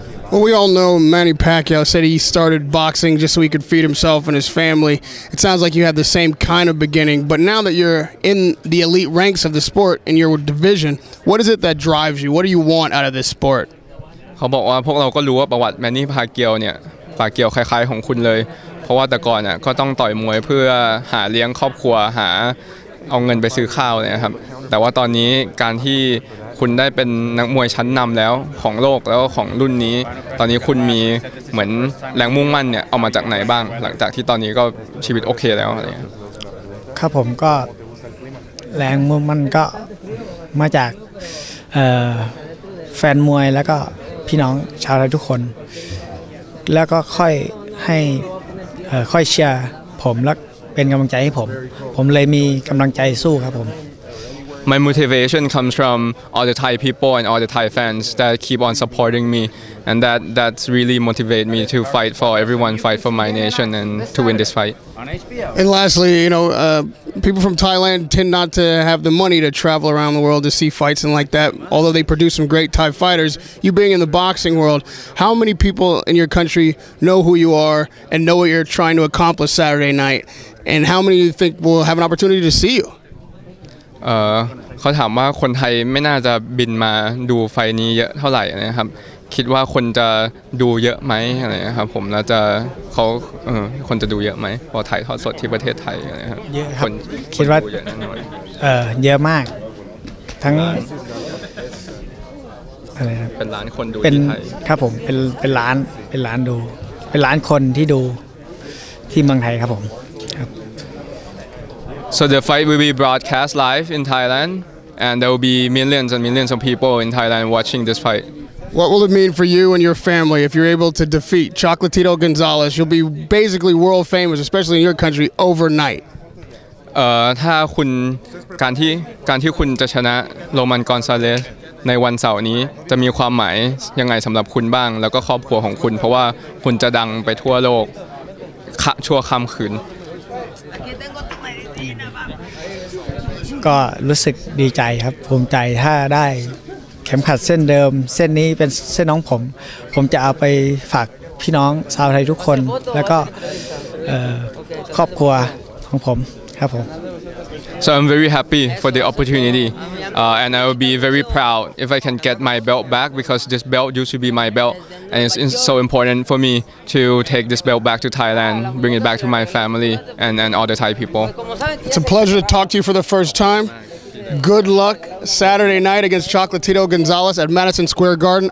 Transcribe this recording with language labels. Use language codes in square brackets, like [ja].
[en] Well, we all know Manny Pacquiao said he started boxing just so he could feed himself and his family. It sounds like you had the same kind of beginning, but now that you're in the elite ranks of the sport in your division, what is it that drives you? What do you want out of this sport? [th] เขาบอกว่าพวกเราก็รู้ว่าประวัติ Manny Pacquiao เนี่ย Pacquiao คล้ายๆของคุณเลยเพราะว่าแต่ก่อนเนี่ยก็ต้องต่อยมวยเพื่อหาเลี้ยงครอบครัวหาเอาเงินไปซื้อข้าวเนี่ยครับแต่ว่าตอนนี้การที่คุณได้เป็นนักมวยชั้นนำแล้วของโลกแล้วของรุ่นนี้ตอนนี้คุณมีเหมือนแรงมุ่งมั่นเนี่ยเอามาจากไหนบ้างหลังจากที่ตอนนี้ก็ชีวิตโอเคแล้วอะไรเงี้ย ครับผมก็แรงมุ่งมั่นก็มาจากแฟนมวยแล้วก็พี่น้องชาวไทยทุกคนแล้วก็ค่อยให้ค่อยเชียร์ผมแล้วเป็นกำลังใจให้ผมผมเลยมีกำลังใจสู้ครับผม [en] My motivation comes from all the Thai people and all the Thai fans that keep on supporting me and that's really motivate me to fight for everyone fight for my nation and to win this fight And lastly you know people from Thailand tend not to have the money to travel around the world to see fights and like that although they produce some great Thai fighters you being in the boxing world how many people in your country know who you are and know what you're trying to accomplish Saturday nightAnd how many do you think will have an opportunity to see you? [th] เขาถามว่าคนไทยไม่น่าจะบินมาดูไฟนี้เยอะเท่าไหร่นะครับคิดว่าคนจะดูเยอะไหมอะไรครับผมแล้วจะเขาคนจะดูเยอะไหมพอถ่ายทอดสดที่ประเทศไทยนะครับ เยอะครับคิดว่าเยอะมากทั้งอะไรครับ เป็นล้านคนดูที่ไทย ครับผมเป็นล้านเป็นล้านดูเป็นล้านคนที่ดูที่เมืองไทยครับผม [en] So the fight will be broadcast live in Thailand, and there will be millions and millions of people in Thailand watching this fight. What will it mean for you and your family if you're able to defeat Chocolatito Gonzalez? You'll be basically world famous, especially in your country, overnight. [th] ถ้าคุณการที่คุณจะชนะโรมันกอนซาเลสในวันเสาร์นี้จะมีความหมายยังไงสำหรับคุณบ้างแล้วก็ครอบครัวของคุณเพราะว่าคุณจะดังไปทั่วโลกคะชั่วค่ำคืน ก็รู้สึกดีใจครับภูมิใจถ้าได้เข็มขัดเส้นเดิมเส้นนี้เป็นเส้นน้องผมจะเอาไปฝากพี่น้องชาวไทยทุกคนแล้วก็ครอบครัวของผม ครับผม [en] So I'm very happy for the opportunity and I will be very proud if I can get my belt back because this belt used to be my belt and it's so important for me to take this belt back to Thailand bring it back to my family and all the Thai people It's a pleasure to talk to you for the first time Good luck Saturday night against Chocolatito Gonzalez at Madison Square Garden.